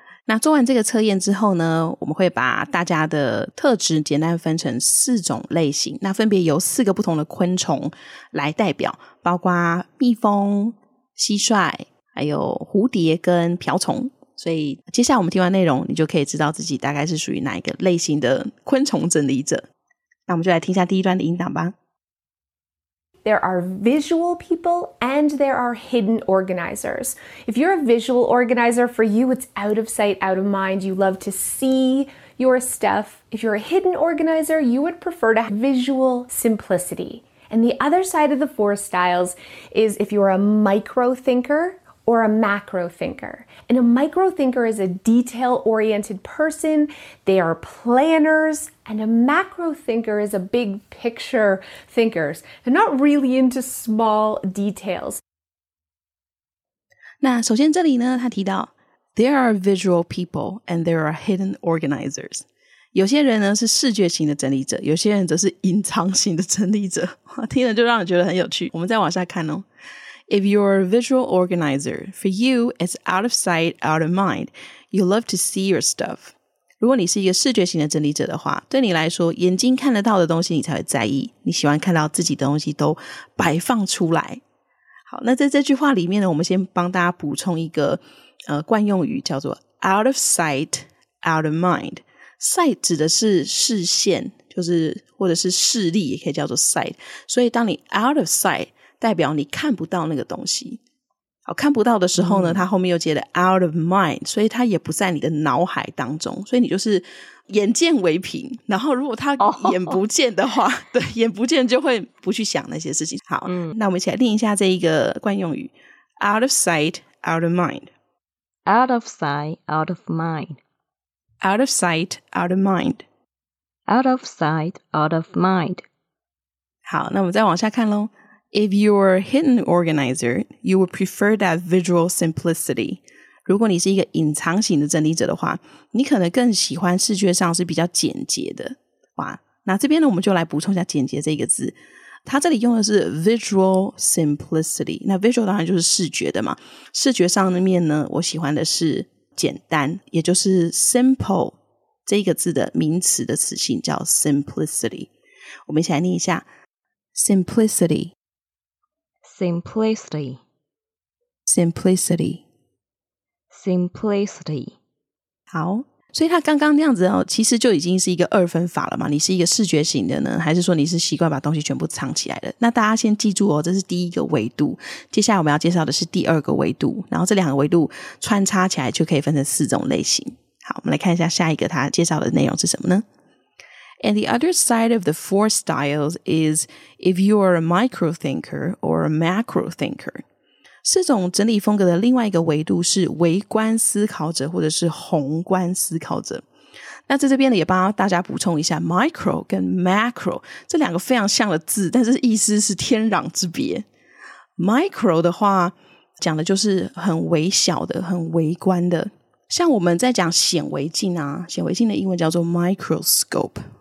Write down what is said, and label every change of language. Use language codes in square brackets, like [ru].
[zh] 那做完这个测验之后呢，我们会把大家的特质简单分成四种类型，那分别由四个不同的昆虫来代表，包括蜜蜂、蟋蟀、还有蝴蝶跟瓢虫。所以接下来我们听完内容，你就可以知道自己大概是属于哪一个类型的昆虫整理者。那我们就来听一下第一段的音档吧。 [en] There are visual people and there are hidden organizers. If you're a visual organizer, for you, it's out of sight, out of mind. You love to see your stuff. If you're a hidden organizer, you would prefer to have visual simplicity. And the other side of the four styles is if you're a micro thinker or a macro thinker. And a micro thinker is a detail-oriented person. They are planners. And a macro thinker is a big picture thinker. They're not really into small details. [zh] 那首先这里呢，他提到 [en] There are visual people and there are hidden organizers. [zh] 有些人呢是视觉型的整理者，有些人则是隐藏型的整理者，听了就让人觉得很有趣。我们再往下看哦。 [en] If you're a visual organizer, for you, it's out of sight, out of mind. You love to see your stuff. [zh] 如果你是一个视觉型的整理者的话，对你来说，眼睛看得到的东西你才会在意，你喜欢看到自己的东西都摆放出来。好，那在这句话里面呢，我们先帮大家补充一个惯用语，叫做 [en] out of sight, out of mind. [zh] Sight 指的是视线，就是或者是视力，也可以叫做 sight。所以当你 [en] out of sight， [zh] 代表你看不到那个东西。好，看不到的时候呢，它后面又接了 [en] out of mind， [zh] 所以它也不在你的脑海当中。所以你就是眼见为凭。然后如果它眼不见的话， 对，眼不见就会不去想那些事情。好，那我们一起来练一下这一个惯用语： [en] out of sight, out of mind. Out of sight, out of mind. Out of sight, out of mind. Out of sight, out of mind. [zh] 好，那我们再往下看咯。 [en] If you're a hidden organizer, you would prefer that visual simplicity. [zh] 如果你是一个隐藏型的整理者的话，你可能更喜欢视觉上是比较简洁的。哇，那这边呢，我们就来补充一下简洁这个字。它这里用的是 visual simplicity. 那 visual 当然就是视觉的嘛。视觉上的面呢，我喜欢的是简单，也就是 simple 这个字的名词的词性叫 simplicity。我们一起来念一下 simplicity [en] simplicity simplicity simplicity。 [zh] 好，所以他刚刚那样子哦，其实就已经是一个二分法了嘛。你是一个视觉型的呢，还是说你是习惯把东西全部藏起来的？那大家先记住哦，这是第一个维度。接下来我们要介绍的是第二个维度，然后这两个维度穿插起来就可以分成四种类型。好，我们来看一下下一个他介绍的内容是什么呢？ [en] And the other side of the four styles is if you are a micro thinker or a macro thinker. [zh] 四种整理风格的另外一个维度是微观思考者或者是宏观思考者。那在这边呢，也帮大家补充一下 micro 跟 macro 这两个非常像的字，但是意思是天壤之别。 micro 的话讲的就是很微小的，很微观的，像我们在讲显微镜啊，显微镜的英文叫做 microscope。